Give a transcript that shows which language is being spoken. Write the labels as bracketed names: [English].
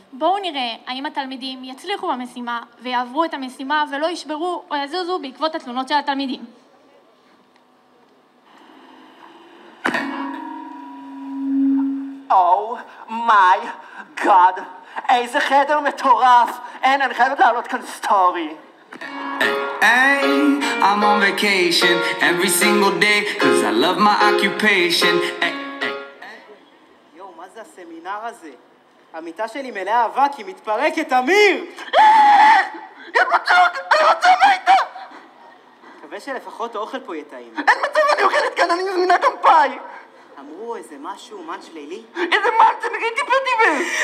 [Hebrew] בואו נראה האם התלמידים יצליחו במשימה ויעברו את המשימה ולא ישברו או יזוזו בעקבות התלונות של התלמידים. [English] Oh my god, [Hebrew] איזה חדר מטורף! אין, אני חייבת לעלות כאן סטורי. [English] Hey, I'm on vacation every single day because I love my occupation. [Hebrew] הסמינר הזה. המיטה שלי מלאה אבק, היא מתפרקת, אמיר! אני רוצה מיטה! מקווה שלפחות האוכל פה יטעים. אין מצב, אני אוכלת כאן, אני מזמינה גם פאי! אמרו איזה משהו, מנץ' לילי? איזה מנץ', אני ראיתי פרטיבר!